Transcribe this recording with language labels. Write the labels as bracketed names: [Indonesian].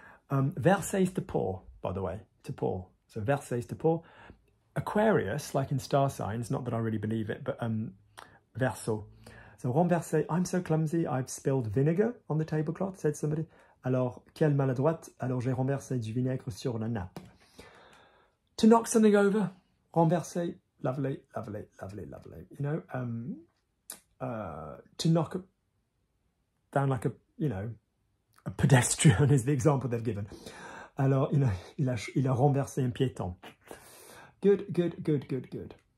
[English] Versé is to pour, by the way, to pour. So versé is to pour. Aquarius, like in star signs, not that I really believe it, but verso. So renversé, I'm so clumsy, I've spilled vinegar on the tablecloth, said somebody. [French] Alors, quelle maladroite, alors j'ai renversé du vinaigre sur la nappe. [English] To knock something over, renversé, lovely. You know, to knock down like a, you know, a pedestrian is the example they've given. [French] Alors, [English] you know, [French] il a renversé un piéton. [English] Good.